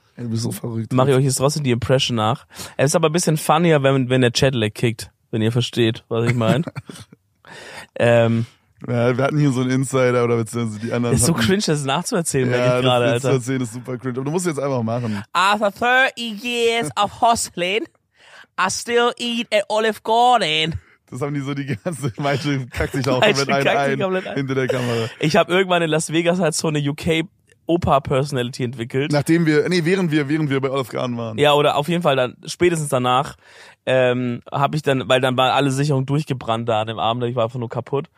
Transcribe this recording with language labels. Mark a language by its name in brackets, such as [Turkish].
[German] Ey, du bist so verrückt. Mach ich euch jetzt trotzdem die Impression nach. Es ist aber ein bisschen funnier, wenn der Chat-Lag kickt, wenn ihr versteht, was ich meine. Ja, wir hatten hier so einen Insider oder beziehungsweise die anderen. Ist so cringe, das nachzuerzählen, ja, merke ich gerade, Alter. Das ist super cringe, aber du musst es jetzt einfach machen. [English] After 30 years of hustling, I still eat at Olive Garden. [German] Das haben die so die ganze, manche kackt sich auch komplett ein hinter der Kamera. Ich habe irgendwann in Las Vegas halt so eine UK-Opa-Personality entwickelt. Nachdem wir, nee, während wir bei Olive Garden waren. Ja, oder auf jeden Fall dann, spätestens danach, habe ich dann, weil dann war alle Sicherungen durchgebrannt da an dem Abend, ich war einfach nur kaputt.